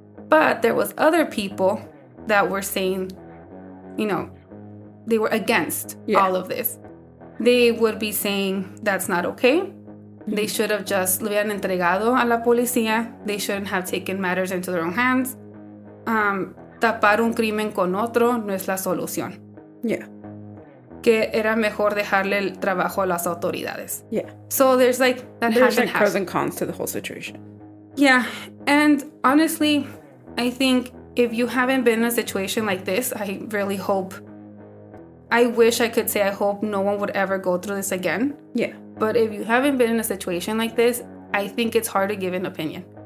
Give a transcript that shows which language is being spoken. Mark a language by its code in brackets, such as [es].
[en] But there was other people that were saying, you know, they were against all of this. They would be saying, that's not okay. They should have just [es] lo habían entregado a la policía. [en] They shouldn't have taken matters into their own hands. [es] Tapar un crimen con otro no es la solución. [en] Yeah. [es] Que era mejor dejarle el trabajo a las autoridades. [en] Yeah. So there's like that. There's like pros and cons to the whole situation. Yeah. And honestly, I think if you haven't been in a situation like this, I hope no one would ever go through this again. Yeah. But if you haven't been in a situation like this, I think it's hard to give an opinion.